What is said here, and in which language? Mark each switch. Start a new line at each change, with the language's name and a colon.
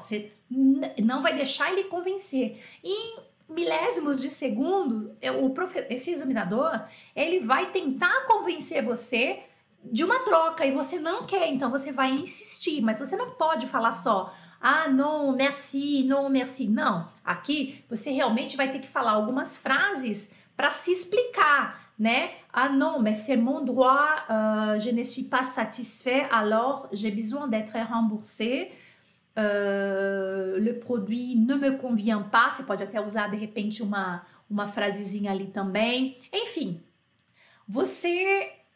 Portuguese: Você não vai deixar ele convencer. Em milésimos de segundo, esse examinador, ele vai tentar convencer você de uma troca e você não quer, então você vai insistir, mas você não pode falar só
French: ah, non, merci, non, merci.
Portuguese: Não, aqui você realmente vai ter que falar algumas frases para se explicar, né?
French: Ah, non, mais c'est mon droit, je ne suis pas satisfait, alors j'ai besoin d'être remboursé. Le produit ne me convient pas,
Portuguese: você pode até usar de repente uma frasezinha ali também, enfim, você